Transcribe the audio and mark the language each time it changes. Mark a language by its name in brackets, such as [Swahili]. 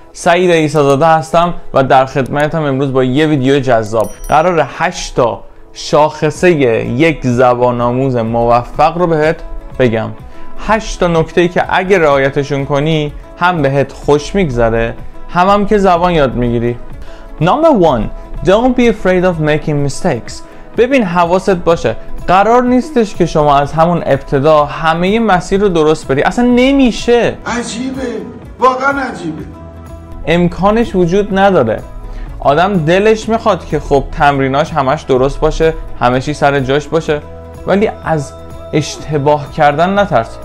[Persian] سعید عیسی‌زاده هستم و در خدمتم امروز با یه ویدیو جذاب. قراره 8 تا شاخصه یک زبان آموز موفق رو بهت بگم، 8 تا نکته‌ای که اگه رعایتشون کنی هم بهت خوش میگذره، هم که زبان یاد میگیری. [English] Number 1. Don't be afraid of making mistakes. [Persian] ببین، حواست باشه، قرار نیستش که شما از همون ابتدا همه مسیر رو درست بری. اصلا نمیشه. عجیبه، واقعا عجیبه، امکانش وجود نداره. آدم دلش میخواد که خب تمریناش همش درست باشه، همه چی سر جاش باشه، ولی از اشتباه کردن نترس.